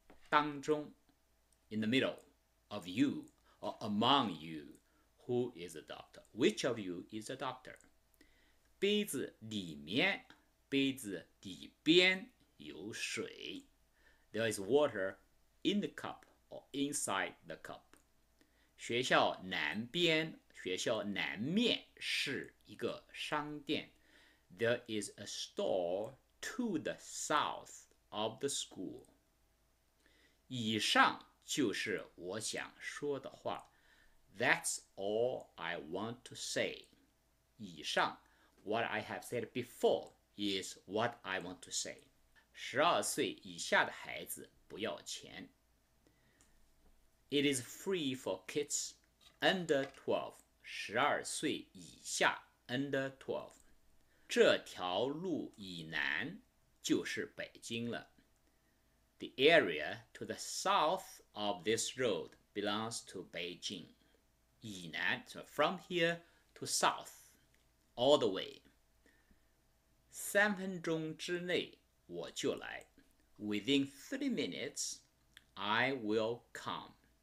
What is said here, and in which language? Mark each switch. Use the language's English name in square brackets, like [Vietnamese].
[English] 当中, in the middle of you, or among you, who is a doctor? Which of you is a doctor? [Chinese] 杯子里面,杯子底边有水。 [English] There is water in the cup or inside the cup. [Chinese] 学校南边，学校南面是一个商店。 [English] There is a store to the south of the school. [Chinese] 以上就是我想说的话。 [English] That's all I want to say. 以上 what I have said before is what I want to say. [Chinese] 12岁以下的孩子不要钱。 [English] It is free for kids under 12. [Chinese] 12岁以下 [English] under 12. [Chinese] 这条路以南就是北京了。 [English] The area to the south of this road belongs to Beijing. 以南 so from here to south, all the way. [Chinese] 三分钟之内我就来。 [English] Within 30 minutes, I will come.